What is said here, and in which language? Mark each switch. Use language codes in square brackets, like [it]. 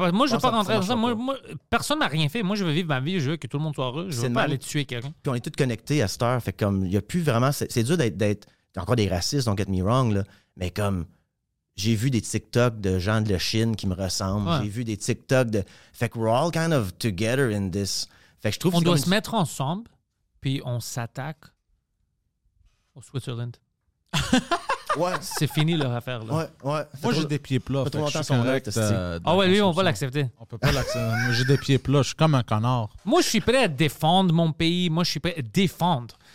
[fr] Moi, je ne veux pas rentrer dans ça. Moi, personne n'a rien fait. Moi, je veux vivre ma vie. Je veux que tout le monde soit heureux. Je ne veux pas aller tuer quelqu'un. Puis on est tous connectés à cette heure. Fait comme il n'y a plus vraiment. C'est dur d'être. Il y a encore des racistes, [en] don't get me wrong. [fr] Là. Mais comme j'ai vu des TikTok de gens de la Chine qui me ressemblent. Ouais. J'ai vu des TikTok de. Fait que [en] we're all kind of together in this. [fr] Fait que je trouve on doit se mettre ensemble. Puis on s'attaque au Switzerland. Ouais. C'est fini leur affaire. Là. Ouais, ouais. Moi, j'ai des pieds plats. Je suis correct. Lui, on va l'accepter. On peut pas l'accepter. Moi, j'ai des pieds plats. Je suis comme un connard. Moi, je suis prêt à défendre mon pays. Moi, je suis prêt à défendre.